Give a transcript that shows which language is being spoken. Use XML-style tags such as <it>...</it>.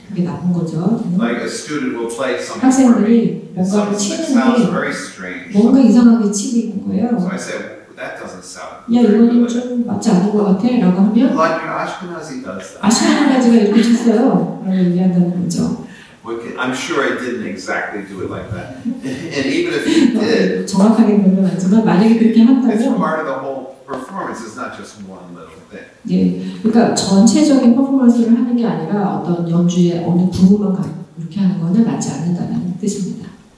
<ko>그게 나쁜 거죠.</ko> <en>Like a student will play something.</en> <ko>학생들이 뭔가를 치는데 뭔가 이상하게 치는 거예요.</ko> <en>So I said that doesn't sound.</en> <ko>야, 이거는 좀 맞지 않는 것 같아라고 하면.</ko> <en>Like Ashkenazi does.</en> <ko>아시아나즈가 이렇게 쳤어요. 라고 이야기하는 거죠.</ko> <en>I'm sure I didn't exactly do it like that. And even if you did,</en> <ko>정확하게 보면 맞지만 만약에 그렇게 한다면,</ko> <en>it's part of the whole performance. It's not just one little thing.</en> <ko>예, 그러니까 전체적인 퍼포먼스를 하는 게 아니라 어떤 연주의 어느 부분만 이렇게 하는 거는 맞지 않는다는 뜻입니다.</ko>